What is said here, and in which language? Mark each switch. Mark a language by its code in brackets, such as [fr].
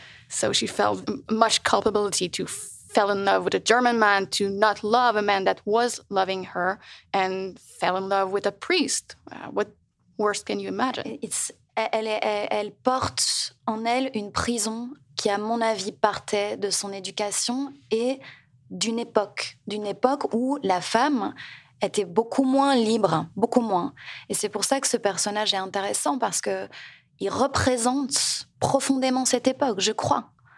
[en] So she felt much culpability to fell in love with a German man to not love a man that was loving her and fell in love with a priest. What worse can you imagine? [fr] Elle porte en elle une prison qui, à mon avis, partait de son éducation et d'une époque où la femme était beaucoup moins libre, beaucoup moins. Et c'est pour ça que ce personnage est intéressant, parce qu'il représente profondément cette époque, je crois.